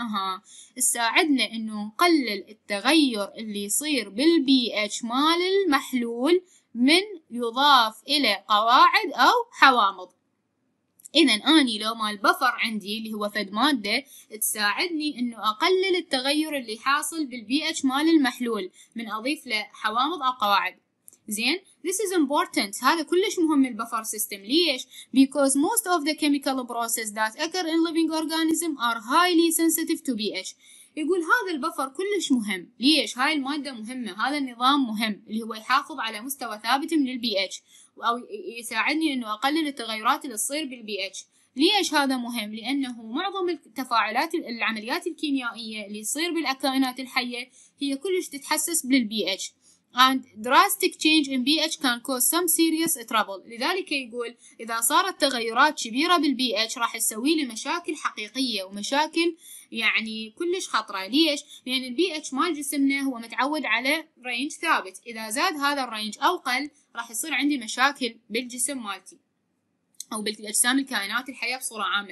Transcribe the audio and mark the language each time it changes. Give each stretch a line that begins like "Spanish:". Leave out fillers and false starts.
Arabic: اها، تساعدنا انه نقلل التغير اللي يصير بال pH مال المحلول من يضاف الى قواعد او حوامض. اذا اني لو ما البفر عندي اللي هو فد مادة تساعدني انه اقلل التغير اللي حاصل بال pH مال المحلول من اضيف له حوامض او قواعد. زين،
English: this is important،
Arabic: هذا كلش مهم البفر سيستم. ليش؟
English: because most of the chemical processes that occur in living organism are highly sensitive to pH.
Arabic: يقول هذا البفر كلش مهم، ليش؟ هاي المادة مهمة، هذا النظام مهم اللي هو يحافظ على مستوى ثابت من ال pH، أو يساعدني إنه أقلل التغيرات اللي تصير بال pH. ليش هذا مهم؟ لأنه معظم التفاعلات، العمليات الكيميائية اللي تصير بالكائنات الحية هي كلش تتحسس بال pH.
English: And drastic change in pH can cause some serious trouble.
Arabic: لذلك يقول إذا صارت تغيرات كبيرة بال pH راح تسوي لي مشاكل حقيقية ومشاكل يعني كلش خطرة. ليش؟ لأن ال pH مال جسمنا هو متعود على range ثابت، إذا زاد هذا range أو قل راح يصير عندي مشاكل بالجسم مالتي أو بالأجسام الكائنات الحية بصورة عامة.